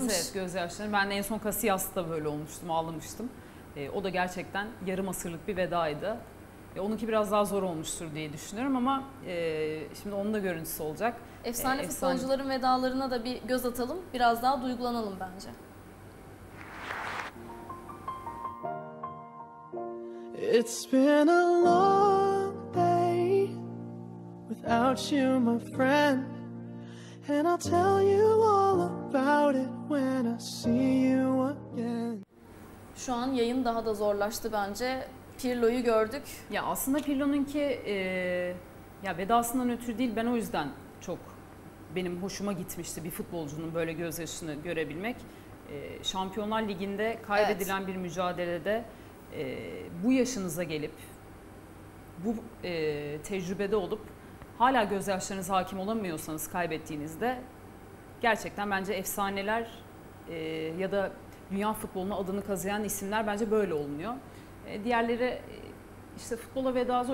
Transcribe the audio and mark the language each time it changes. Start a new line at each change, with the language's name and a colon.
Turkish: Herkese evet, gözyaşlarını. Ben de en son Casillas'ta böyle olmuştum, ağlamıştım. O da gerçekten yarım asırlık bir vedaydı. Onunki biraz daha zor olmuştur diye düşünüyorum ama şimdi onun da görüntüsü olacak. Efsane futbolcuların vedalarına da bir göz atalım, biraz daha duygulanalım bence.
English: It's been a long day without you, my friend. And I'll tell you all about it when I see you again.
Turkish: Şu an yayın daha da zorlaştı bence. Pirlo'yu gördük. Ya aslında Pirlo'nunki ya vedasından ötürü değil, ben o yüzden çok benim hoşuma gitmişti bir futbolcunun böyle gözyaşını görebilmek. Şampiyonlar Ligi'nde kaybedilen evet. bir mücadelede bu yaşınıza gelip bu tecrübede olup hala gözyaşlarınıza hakim olamıyorsanız kaybettiğinizde gerçekten bence efsaneler ya da dünya futboluna adını kazıyan isimler bence böyle olunuyor. Diğerleri işte futbola veda zor.